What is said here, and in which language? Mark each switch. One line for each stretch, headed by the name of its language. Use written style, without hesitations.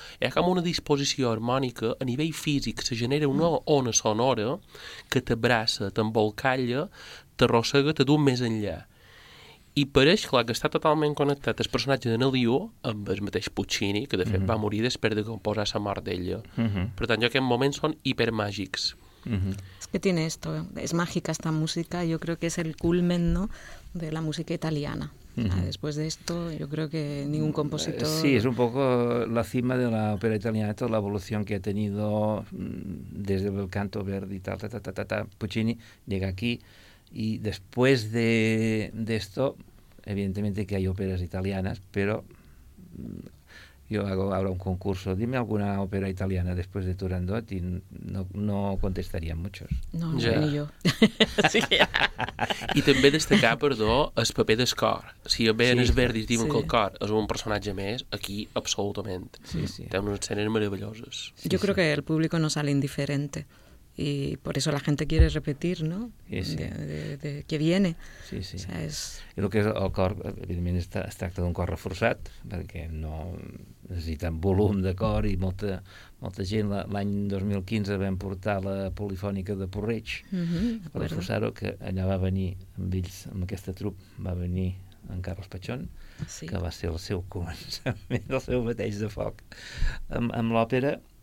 Catalan: Hi ha com una disposició harmònica, a nivell físic, se genera una ona sonora que t'abraça, t'embolcalla, t'arrossega, te du més enllà. I pareix, clar, que està totalment connectat el personatge de Liu amb el mateix Puccini, que de fet va morir després de composar la mort d'ella. Mm-hmm. Per tant, jo aquests moments són hipermàgics. Mm-hmm.
Spanish: Es que tiene esto, es mágica esta música, yo creo que es el culmen, ¿no?, de la música italiana. Uh-huh. Después de esto, yo creo que ningún compositor... Sí, es un poco la cima de la ópera italiana, toda la evolución que ha tenido desde el canto Verdi y tal, ta, ta, ta, ta, ta. Puccini llega aquí y después de esto, evidentemente que hay óperas italianas, pero yo hago ahora un concurso, dime alguna ópera italiana después de Turandot y no contestarían muchos. No, ni no, yo. Sí,
Catalan: ja. I també destacar, perdó, el paper del cor. Si bé en els Verdi diuen que el cor és un personatge més, aquí absolutament. Sí, sí. Té unes escenes meravelloses. Jo crec que el públic
Spanish: no sale indiferente. Y por eso la gente quiere repetir, ¿no? Sí. De que viene. Sí, sí. O sea, es...
Catalan: I el que és el cor, evidentment, es tracta d'un cor reforçat, perquè no necessita volum de cor i molta, molta gent. L'any 2015 vam portar la polifònica de Porreig, per reforçar-ho, que allà va venir amb ells, amb aquesta trup, va venir en Carles Pachón, sí, que va ser el seu començament, el seu mateix de foc amb l'òpera.